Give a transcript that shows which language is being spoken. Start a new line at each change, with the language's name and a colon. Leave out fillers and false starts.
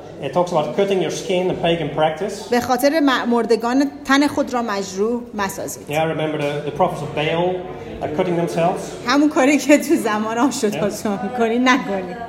English: It talks about cutting your skin and pagan practice.
Persian: به خاطر مردگان تن خود را مجروح مسازید.
English: Yeah, I remember the prophets of Baal are cutting themselves.
Persian: همون کاری که تو زمان آشوراشون می‌کنی نکنی.